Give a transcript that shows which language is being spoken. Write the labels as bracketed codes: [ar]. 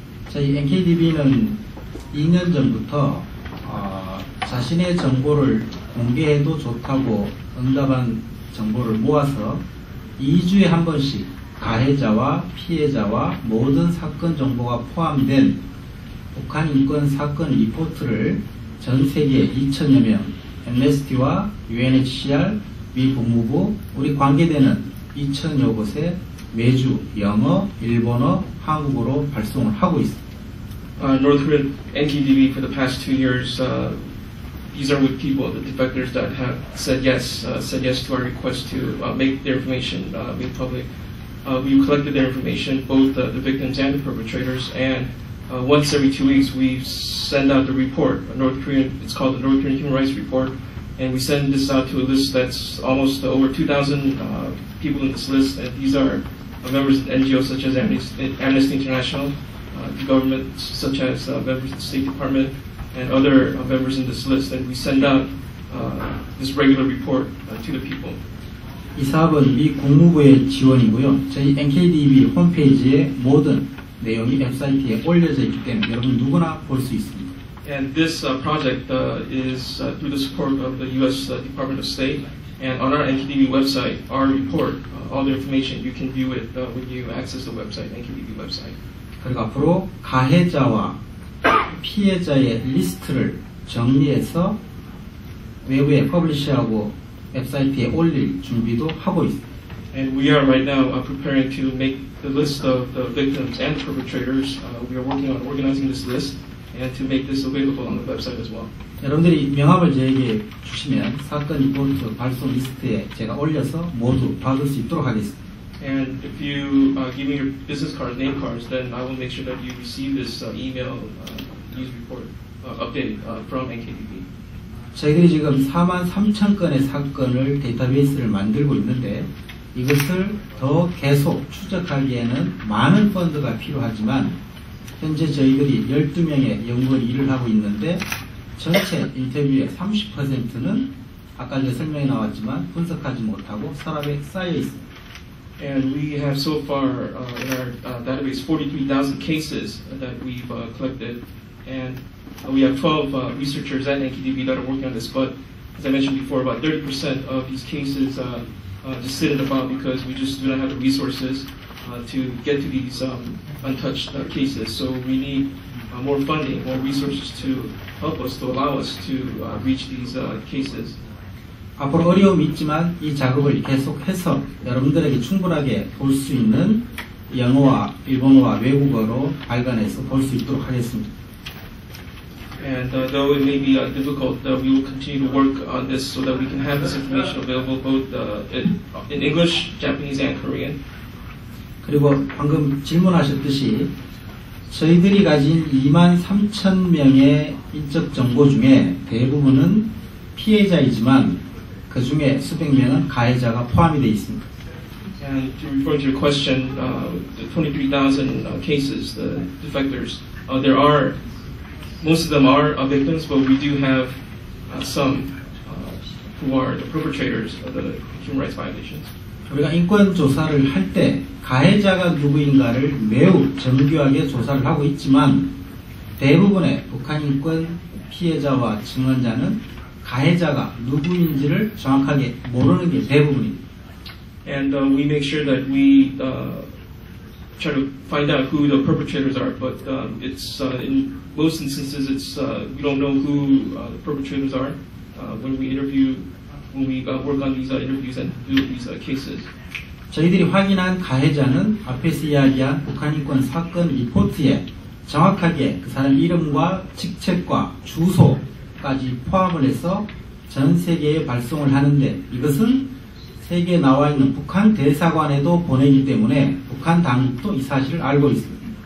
[ko] 저희 NKDB는 2년 전부터 자신의 정보를 공개해도 좋다고 응답한 정보를 모아서 2주에 한 번씩 가해자와 피해자와 모든 사건 정보가 포함된 북한 인권 사건 리포트를 전 세계 2천여 명, Amnesty와 UNHCR, 미 법무부, 우리 관계되는 2천여 곳에 매주 영어, 일본어, 한국어로 발송을 하고 있습니다. [en] North Korean NKDB for the past 2 years, these are with people, the defectors that have said yes to our request to make their information made public. We collected their information, both the victims and the perpetrators, and once every 2 weeks we send out the report, it's called the North Korean Human Rights Report, and we send this out to a list that's almost over 2,000 people in this list, and these are members of NGOs such as Amnesty International, the government such as members of the State Department, and other members in this list, and we send out this regular report to the people. [ko] 이 사업은 미 국무부의 지원이고요. 저희 NKDB 홈페이지에 모든 내용이 웹사이트에 올려져 있기 때문에 여러분 누구나 볼 수 있습니다. [en] And this project is through the support of the U.S. Department of State. And on our NKDB website, our report, all the information, you can view it when you access the website, NKDB website. [ko] 그리고 앞으로 가해자와 피해자의 리스트를 정리해서 외부에 퍼블리시하고 웹사이트에 올릴 준비도 하고 있습니다. [en] And we are right now preparing to make the list of the victims and perpetrators. We are working on organizing this list and to make this available on the website as well. [ko] 여러분들이 명함을 저에게 주시면 사건 리포트 발송 리스트에 제가 올려서 모두 받을 수 있도록 하겠습니다. [en] And if you give me your business card, name cards, then I will make sure that you receive this email news report update from NKDB. [ko] 저희들이 지금 4만 3천 건의 사건을 데이터베이스를 만들고 있는데 이것을 더 계속 추적하기에는 많은 펀드가 필요하지만 현재 저희들이 12명의 연구원 일을 하고 있는데 전체 인터뷰의 30%는 아까 이제 설명이 나왔지만 분석하지 못하고 서랍에 쌓여 있습니다. [en] And we have so far in our database 43,000 cases that we've collected, and we have 12 researchers at NKDB that are working on this. But as I mentioned before, about 30% of these cases just sit in the file because we just do not have the resources to get to these untouched cases. So we need more funding, more resources to help us, to allow us to reach these cases. [ko] 앞으로 어려움이 있지만 이 작업을 계속해서 여러분들에게 충분하게 볼 수 있는 영어와 일본어와 외국어로 발간해서 볼 수 있도록 하겠습니다. [en] And though it may be difficult, we will continue to work on this so that we can have this information available both in English, Japanese, and Korean. [ko] 그리고 방금 질문하셨듯이 저희들이 가진 2만 3천 명의 인적 정보 중에 대부분은 피해자이지만 그 중에 수백 명은 가해자가 포함이 돼 있습니다. [en] And to refer to your question, the 23,000 cases, the defectors, there are, most of them are victims, but we do have some who are the perpetrators of the human rights violations. [ko] 우리가 인권 조사를 할 때 가해자가 누구인가를 매우 정교하게 조사를 하고 있지만 대부분의 북한 인권 피해자와 증언자는 가해자가 누구인지를 정확하게 모르는 게 대부분입니다. [en] And we make sure that we try to find out who the perpetrators are, but it's in most instances, it's we don't know who the perpetrators are when we interview, when we work on these interviews and do these cases. [ko] 저희들이 확인한 가해자는 앞에서 이야기한 북한인권 사건 리포트에 정확하게 그 사람 이름과 직책과 주소까지 포함을 해서 전 세계에 발송을 하는데 이것은 세계 나와 있는 북한 대사관에도 보내기 때문에 북한 당국도 이 사실을 알고 있습니다.